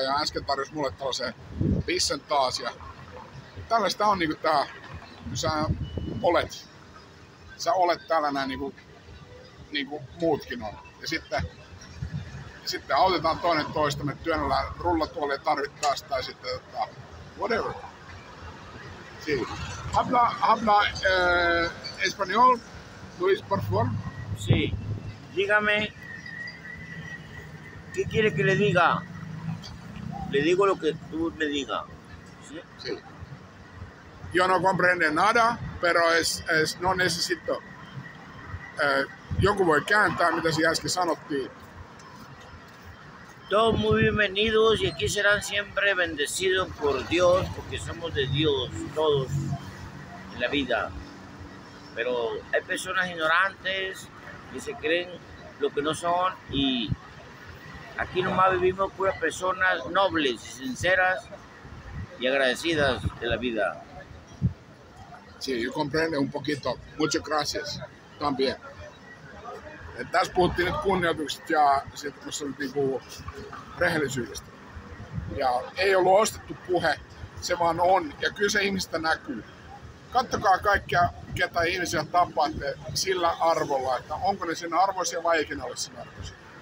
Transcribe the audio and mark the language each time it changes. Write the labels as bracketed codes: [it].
[fi] Ja äsken tarjosi mulle tällaiseen pissen taas. Ja tällaista on niin kuin tämä, kun sä olet täällä näin niin kuin muutkin on. Ja sitten autetaan toinen toista, me työnnällä rullatuolia tarvittaessa tai sitten whatever. Siinä. [es] Habla español, Luis, por favor. Sí. Dígame, ¿qué quiere que le diga? Le digo lo que tú me diga. ¿Sí? Sí. Yo no comprendo nada, pero es no necesito. [fi] Joku voi kääntää, mitä se äsken sanottiin. [es] Todos muy bienvenidos y aquí serán siempre bendecidos por Dios, porque somos de Dios todos en la vida. Pero hay personas ignorantes que se creen lo que no son y aquí nomás vivimos puras personas nobles y sinceras y agradecidas de la vida. Sí, yo comprendo un poquito. Muchas gracias también. [fi] Tässä puhuttiin nyt kunnioitukset ja sitten tuossa oli niinku rehellisyydestä. Ja ei ollut ostettu puhe, se vaan on. Ja kyllä se ihmistä näkyy. Kattokaa kaikkia, ketä ihmisiä tapaatte sillä arvolla, että onko ne sen arvoisia vai eikin ole sen arvoisia.